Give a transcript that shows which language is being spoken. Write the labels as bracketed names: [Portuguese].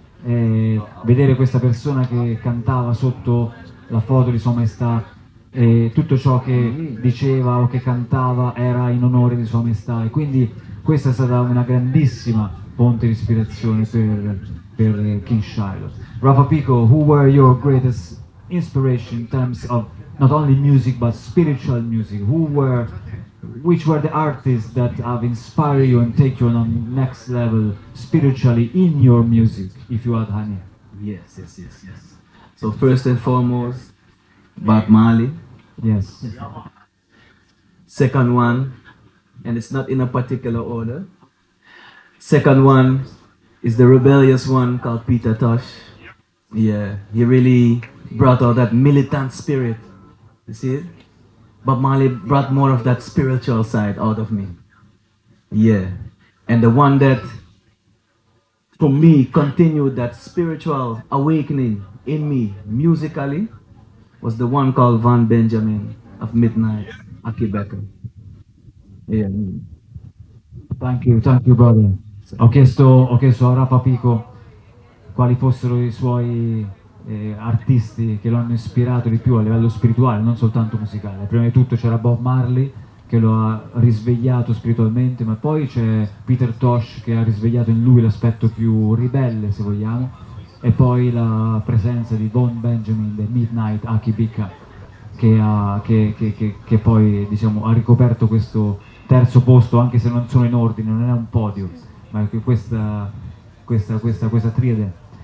[Italian] E vedere questa persona che cantava sotto la foto di Sua Maestà, e tutto ciò che diceva o che cantava era in onore di Sua Maestà, e quindi questa è stata una grandissima fonte di ispirazione per King Shiloh. [English] Rafa Pico, who were your greatest inspiration in terms of not only music but spiritual music? Who were which were the artists that have inspired you and take you on the next level spiritually in your music, if you had any? Yes. So first and foremost, Bob Marley. Yes. Second one, and it's not in a particular order. Second one is the rebellious one called Peter Tosh. Yeah, he really brought out that militant spirit. You see it? Bob Marley brought more of that spiritual side out of me. Yeah. And the one that, for me, continued that spiritual awakening in me musically was the one called Van Benjamin of Midnight, Aki Becker. Yeah. Thank you, brother. [Italian] Ho chiesto a Rafa Pico quali fossero i suoi artisti che lo hanno ispirato di più a livello spirituale, non soltanto musicale. Prima di tutto c'era Bob Marley che lo ha risvegliato spiritualmente, ma poi c'è Peter Tosh che ha risvegliato in lui l'aspetto più ribelle, se vogliamo, e poi la presenza di Von Benjamin, The Midnight, Aki Bika, che poi diciamo ha ricoperto questo terzo posto, anche se non sono in ordine, non è un podio, ma è questa triade.